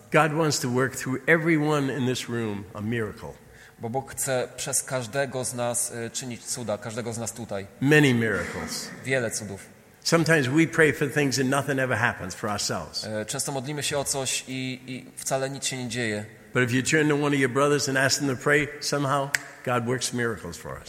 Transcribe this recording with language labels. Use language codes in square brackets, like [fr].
[en] God wants to work through everyone in this room a miracle. [pl] Bo Bóg chce przez każdego z nas czynić cuda, każdego z nas tutaj. [en] Many miracles. [pl] Wiele cudów. [en] Sometimes we pray for things and nothing ever happens for ourselves. [pl] Często modlimy się o coś i wcale nic się nie dzieje. [en] But if you turn to one of your brothers and ask them to pray, somehow God works miracles for us.